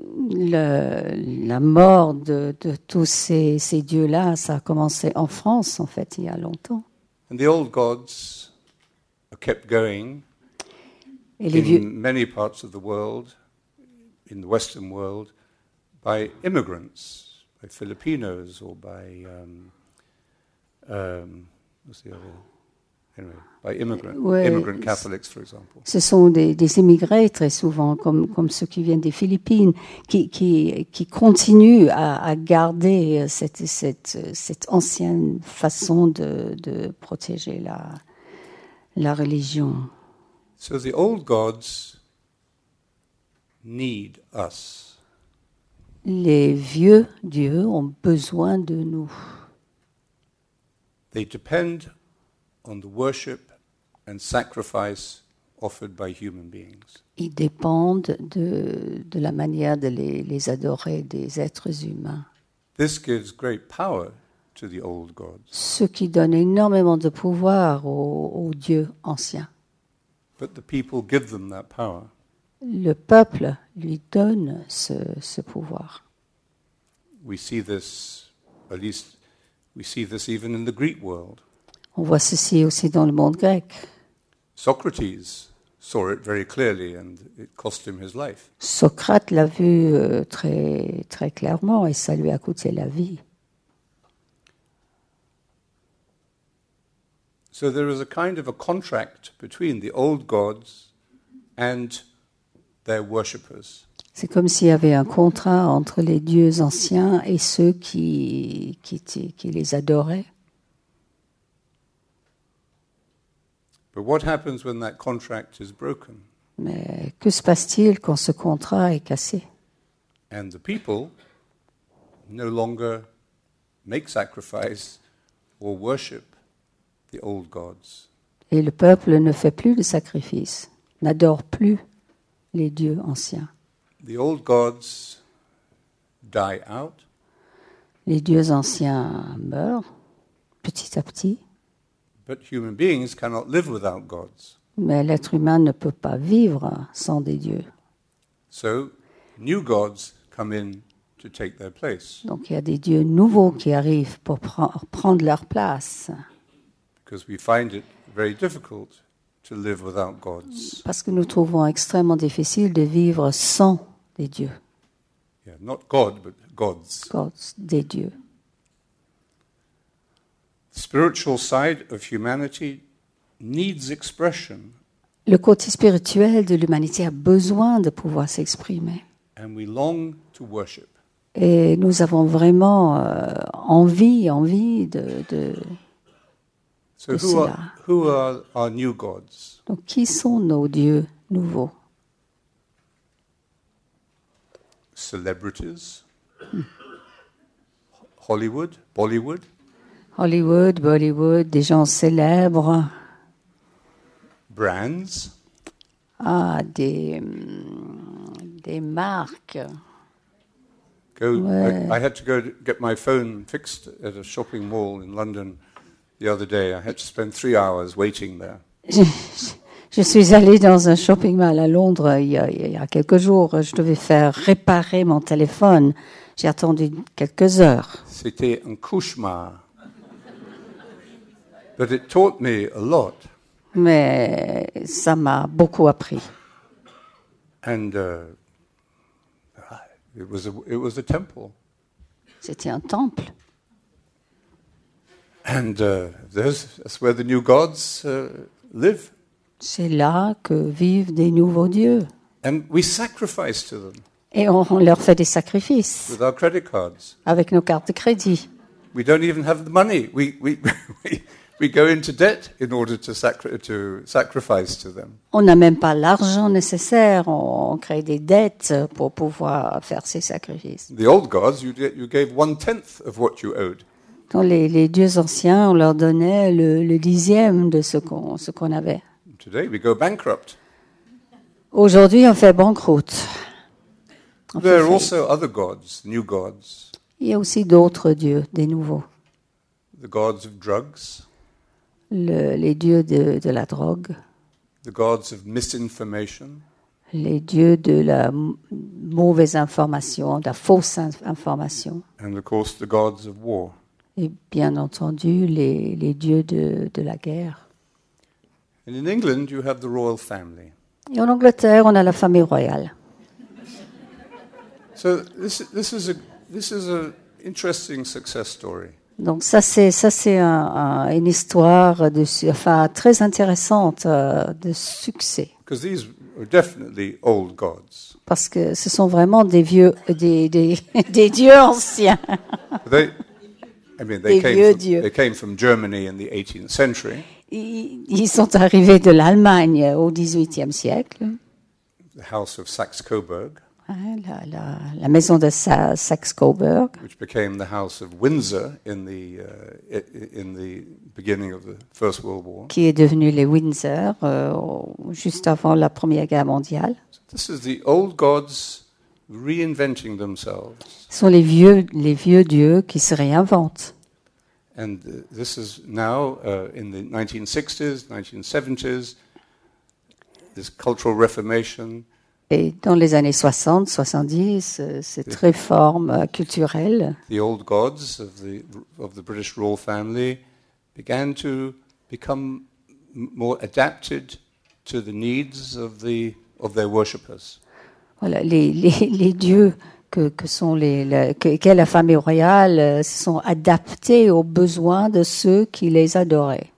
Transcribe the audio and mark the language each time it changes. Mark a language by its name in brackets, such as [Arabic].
[French] La mort de tous ces dieux-là, ça a commencé en France, en fait, il y a longtemps. [English] And the old gods kept going. [French] Et les vieux... [English] In many parts of the world, in the Western world, by immigrants, by Filipinos, or by what's the other? Anyway, by immigrants, [French] ouais, [English] immigrant Catholics, for example. [French] Ce sont des immigrés très souvent, comme ceux qui viennent des Philippines, qui continuent à garder cette ancienne façon de protéger la religion. [English] So the old gods need us. [French] Les vieux dieux ont besoin de nous. [English] They depend on the worship and sacrifice offered by human beings. [French] Ils dépendent de la manière de les adorer des êtres humains. [English] This gives great power to the old gods. [French] Ce qui donne énormément de pouvoir aux dieux anciens. [English] But the people give them that power. [French] Le peuple lui donne ce pouvoir. [English] We see this, at least, we see this even in the Greek world. [French] On voit ceci aussi dans le monde grec. [English] Socrates saw it very clearly, and it cost him his life. [French] Socrate l'a vu très très clairement, et ça lui a coûté la vie. [English] So there is a kind of a contract between the old gods and their worshippers. [French] C'est comme s'il y avait un contrat entre les dieux anciens et ceux qui les adoraient. [English] But what happens when that contract is broken? [French] Mais que se passe-t-il quand ce contrat est cassé? [English] And the people no longer make sacrifice or worship the old gods. [French] Et le peuple ne fait plus de sacrifices, n'adore plus les dieux anciens. [English] The old gods die out. [French] Les dieux anciens meurent petit à petit. [English] But human beings cannot live without gods. [French] Mais l'être humain ne peut pas vivre sans des dieux. [English] So, new gods come in to take their place. [French] Donc il y a des dieux nouveaux qui arrivent pour prendre leur place. [English] Because we find it very difficult to live without gods. [French] Parce que nous trouvons extrêmement difficile de vivre sans des dieux. [English] Yeah, not God, but gods. Gods, [French] des dieux. [English] Spiritual side of humanity needs expression. [French] Le côté spirituel de l'humanité a besoin de pouvoir s'exprimer. [English] And we long to worship. [French] Et nous avons vraiment envie de [English] so who [French] cela. [English] Who are our new gods? [French] Donc qui sont nos dieux nouveaux? [English] Celebrities? Hollywood? Bollywood? [French] Hollywood, Bollywood, des gens célèbres. [English] Brands. [French] Ah, des marques. [English] Go, [French] ouais. [English] I had to go get my phone fixed at a shopping mall in London The other day, I had to spend 3 hours waiting there. [French] Je suis allée dans un shopping mall à Londres il y a quelques jours. Je devais faire réparer mon téléphone. J'ai attendu quelques heures. C'était un cauchemar. [English] But it taught me a lot. [French] Mais ça m'a beaucoup appris. [English] And it was a temple. [French] C'était un temple. [English] And that's where the new gods live. [French] C'est là que vivent des nouveaux dieux. [English] And we sacrifice to them. [French] Et on leur fait des sacrifices. [English] With our credit cards. [French] Avec nos cartes de crédit. [English] We don't even have the money. We go into debt in order to sacrifice to them. [French] On n'a même pas l'argent nécessaire. On crée des dettes pour pouvoir faire ces sacrifices. [English] The old gods, you gave one tenth of what you owed. [French] Quand les dieux anciens, on leur donnait le dixième de ce qu'on avait. [English] Today we go bankrupt. [French] Aujourd'hui, on fait banqueroute. [English] There are also other gods, new gods. [French] Il y a aussi d'autres dieux, des nouveaux. [English] The gods of drugs. [French] Les dieux de la drogue. [English] The gods of misinformation. [French] Les dieux de la mauvaise information, de la fausse information. [English] And of course the gods of war. [French] Et bien entendu les dieux de la guerre. [English] And in England you have the royal family. [French] Et en Angleterre on a la famille royale. [English] So this is an interesting success story. [French] Donc ça c'est une histoire très intéressante de succès. [English] Because these are definitely old gods. [French] Parce que ce sont vraiment des vieux des dieux anciens. [English] They came from Germany in the 18th century. [French] Ils sont arrivés de l'Allemagne au 18e siècle. [English] The House of Saxe-Coburg. [French] La maison de Saxe-Coburg, [English] which became the House of Windsor in the beginning of the First World War, [French] qui est devenu les Windsor juste avant la Première Guerre mondiale. [English] So this is the old gods reinventing themselves. [French] Ce sont les vieux dieux qui se réinventent. [English] And this is now in the 1960s, 1970s, this cultural reformation. [French] Et dans les années 60, 70, cette réforme culturelle. [English] The old gods of the British royal family began to become more adapted to the needs of their worshippers. [French] Voilà, les dieux qu'est la famille royale se sont adaptés aux besoins de ceux qui les adoraient.